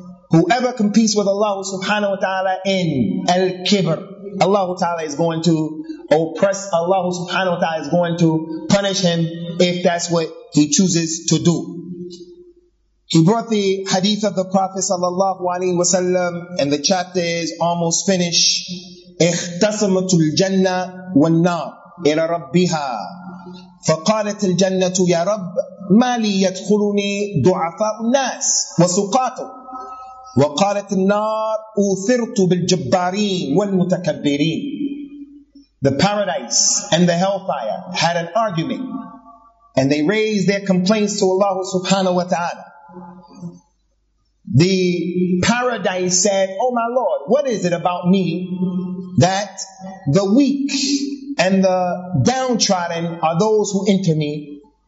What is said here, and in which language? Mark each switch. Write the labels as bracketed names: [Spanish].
[English] Whoever competes with Allah subhanahu wa ta'ala in al-kibr, Allah ta'ala is going to oppress, Allah subhanahu wa ta'ala is going to punish him if that's what he chooses to do. He brought the hadith of the Prophet sallallahu alaihi wasallam, and the chapter is almost finished. [Arabic] اختصمتُ الجنة والنار إلى ربها فقالت الجنة يا رب ما لي يدخلني ضعفاء الناس وسقاطه وقالت النار أوثرت بالجبارين والمتكبرين. [English] The paradise and the hellfire had an argument. and they raise their complaints to Allah subhanahu wa ta'ala. The paradise said, "Oh my Lord, what is it about me that the weak and the downtrodden are those who enter me?